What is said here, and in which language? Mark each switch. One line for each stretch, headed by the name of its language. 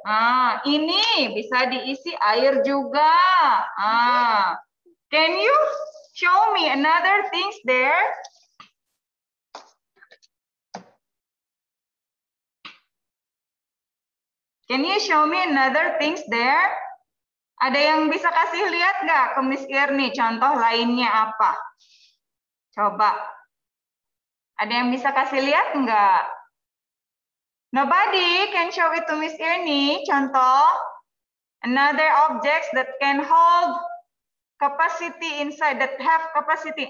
Indonesian: Ah, ini bisa diisi air juga.
English: Ah, can you show me another things there? Can you show me another things there?
Indonesian: Ada yang bisa kasih lihat nggak ke Miss Irni? Contoh lainnya apa? Coba. Ada yang bisa kasih lihat enggak?
English: Nobody can show it to Miss Irni. Contoh, another objects that can hold capacity inside, that have capacity.